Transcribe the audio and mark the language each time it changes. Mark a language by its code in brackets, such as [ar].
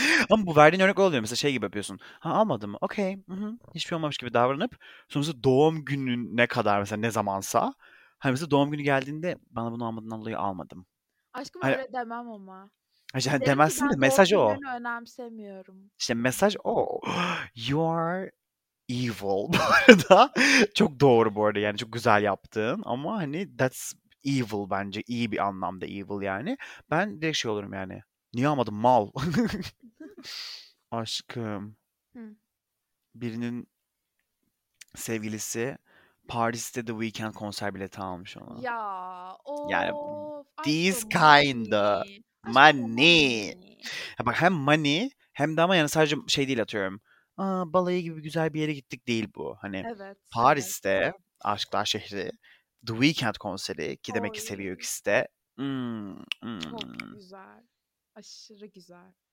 [tr] Ama bu verdiğin örnek oluyor. Mesela şey gibi yapıyorsun. Ha, almadın mı? Okay. Hiçbir olmamış gibi davranıp sonrasında doğum günün ne kadar mesela, ne zamansa. Hani mesela doğum günü geldiğinde bana bunu almadığından dolayı almadım. Aşkım hani... öyle demem ama. Yani derim demezsin de, mesaj o. Doğum gününü önemsemiyorum. İşte mesaj o. [en] You are evil [tr] bu arada. Çok doğru bu arada yani, çok güzel yaptın. Ama hani [en] that's evil [tr] bence. İyi bir anlamda evil yani. Ben direkt şey olurum yani. Niye almadın mal? Aşkım. Birinin sevgilisi Paris'te The Weeknd konser bileti almış ona. Ya o. Yani [en] these kind of money. [tr] Ya bak, hem money hem de ama yani sadece şey değil, atıyorum. Aa, balayı gibi güzel bir yere gittik değil bu. Hani evet, Paris'te evet. Aşklar şehri The Weeknd konseri ki oy, demek ki seviyor ikisi de. Çok güzel. Aşırı güzel.